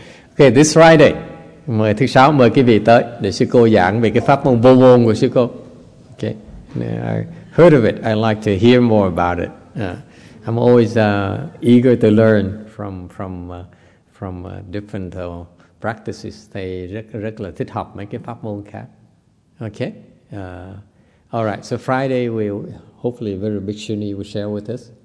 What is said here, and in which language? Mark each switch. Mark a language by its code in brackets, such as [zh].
[vi] Ok, this Friday, mời thứ sáu mời quý vị tới để sư cô giảng về cái pháp môn vô môn của sư cô. [en] Ok, I heard of it. I like to hear more about it. I'm always eager to learn from different practices. [vi] Thầy rất là thích học mấy cái pháp môn khác. Ok, all right. [en] So Friday we'll hopefully a very big shuni will share with us.